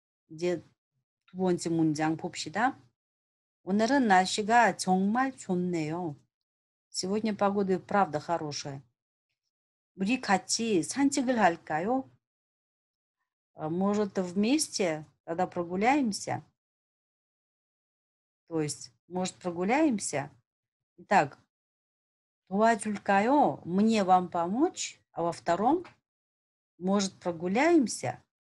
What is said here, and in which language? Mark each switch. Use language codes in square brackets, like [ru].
[ko] 이제 두 번째 문장 봅시다. 오늘은 날씨가 정말 좋네요. [ru] Сегодня погода правда хорошая. [ko] 우리 같이 산책을 할까요? [ru] Может, вместе тогда прогуляемся? То есть, может, прогуляемся? Итак, [ko] 도와줄까요? [ru] Мне вам помочь? А во втором, может, прогуляемся?